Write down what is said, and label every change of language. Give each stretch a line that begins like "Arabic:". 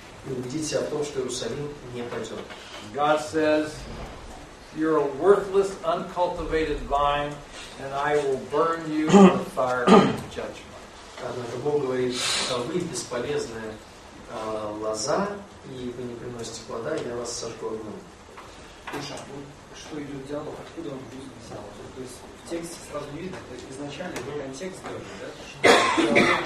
Russian: И убедить себя в том, что Иерусалим не пойдет.
English: God says, you're a worthless, uncultivated vine, and I will burn you in the fire of judgment.
Russian: Однако Бог говорит, что вы бесполезная лоза, и вы не приносите плода, я вас сожгу огнем. Слушай, вот что идет диалог, откуда он будет взялся? То есть в тексте сразу видно, это изначально был контекст даже, да?